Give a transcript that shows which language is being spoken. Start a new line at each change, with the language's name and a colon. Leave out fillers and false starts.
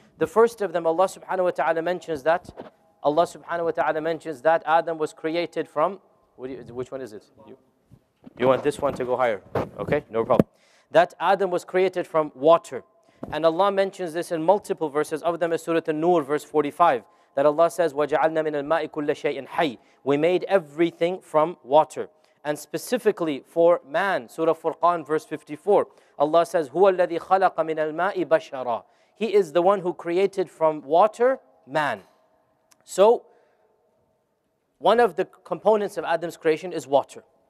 English: The first of them, Allah subhanahu wa ta'ala mentions that. Allah subhanahu wa ta'ala mentions that Adam was created from, which one is it? You want this one to go higher. Okay, no problem. That Adam was created from water. And Allah mentions this in multiple verses. Of them is Surah An-Nur, verse 45. That Allah says,
Arabic: وَجَعَلْنَا مِنَ الْمَاءِ كُلَّ شَيْءٍ حَيٍّ.
English: We made everything from water. And specifically for man, Surah Furqan, verse 54, Allah says,
Arabic: هُوَ الَّذِي خَلَقَ مِنَ الْمَاءِ بَشَرًا.
English: He is the one who created from water, man. So, one of the components of Adam's creation is water.